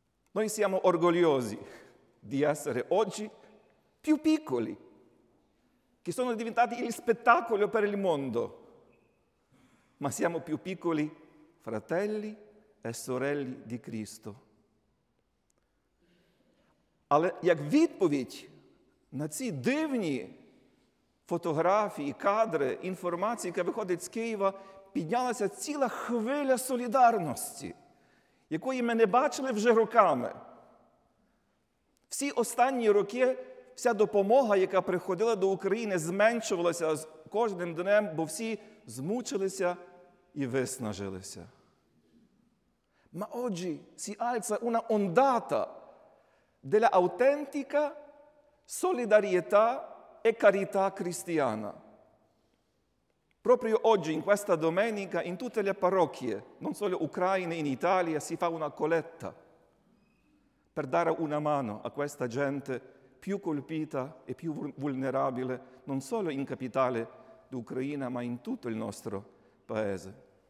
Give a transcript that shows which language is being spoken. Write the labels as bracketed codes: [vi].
[it] Noi siamo orgogliosi di essere oggi più piccoli, che sono diventati il spettacolo per il mondo, ma siamo più piccoli fratelli e sorelle di Cristo. [uk] Але як відповідь на ці дивні фотографії, кадри, інформації, яка виходить з Києва, піднялася ціла хвиля солідарності, якої ми не бачили вже роками. Всі останні роки вся допомога, яка приходила до України, зменшувалася з кожним днем, бо всі змучилися і виснажилися. [it] Ma oggi si alza una ondata della autentica solidarietà e carità cristiana. Proprio oggi, in questa domenica, in tutte le parrocchie, non solo in Ucraina, in Italia, si fa una colletta per dare una mano a questa gente più colpita e più vulnerabile, non solo in capitale d'Ucraina, ma in tutto il nostro paese.